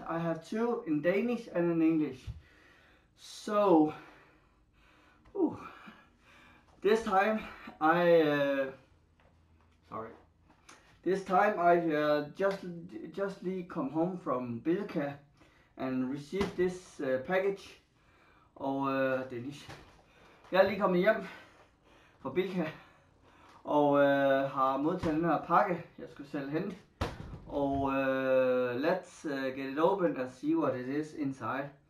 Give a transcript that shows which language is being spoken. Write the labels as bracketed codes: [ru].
[en] I have two in Danish and in English. So, this time I just come home from Bilka and received this package. Danish. [da] Jeg lige kommet hjem fra Bilka. Og har modtaget den her pakke, jeg skulle selv hente. Og [en] let's get it open and see what it is inside.